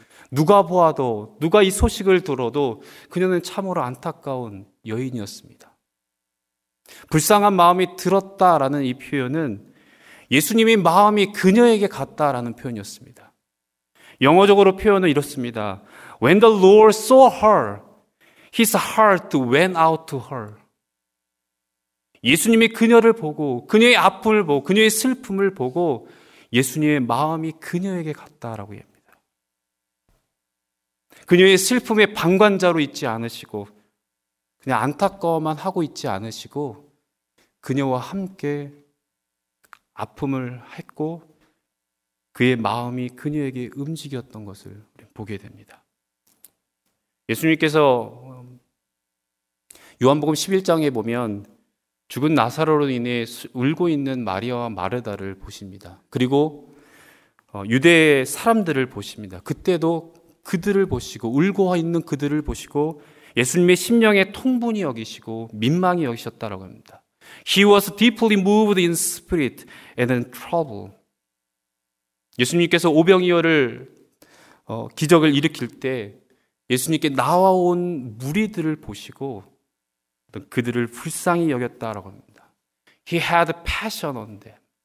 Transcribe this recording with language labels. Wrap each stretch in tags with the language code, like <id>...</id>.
<ko>누가 보아도 누가 이 소식을 들어도 그녀는 참으로 안타까운 여인이었습니다. 불쌍한 마음이 들었다라는 이 표현은 예수님의 마음이 그녀에게 갔다라는 표현이었습니다. 영어적으로 표현은 이렇습니다.</ko> <en>When the Lord saw her, his heart went out to her.</en> <ko>예수님이 그녀를 보고 그녀의 아픔을 보고 그녀의 슬픔을 보고 예수님의 마음이 그녀에게 갔다라고 합니다. 그녀의 슬픔의 방관자로 있지 않으시고 그냥 안타까워만 하고 있지 않으시고 그녀와 함께 아픔을 했고 그의 마음이 그녀에게 움직였던 것을 보게 됩니다. 예수님께서 요한복음 11장에 보면 죽은 나사로로 인해 울고 있는 마리아와 마르다를 보십니다. 그리고 유대 사람들을 보십니다. 그때도 그들을 보시고 울고 있는 그들을 보시고 예수님의 심령에 통분히 여기시고 민망히 여기셨다라고 합니다.</ko> <en>He was deeply moved in spirit and in trouble.</en> <ko>예수님께서 오병이어를 기적을 일으킬 때 예수님께 나와온 무리들을 보시고 그들을 불쌍히 여겼다라고 합니다.</ko> <en>He had passion on them.</en>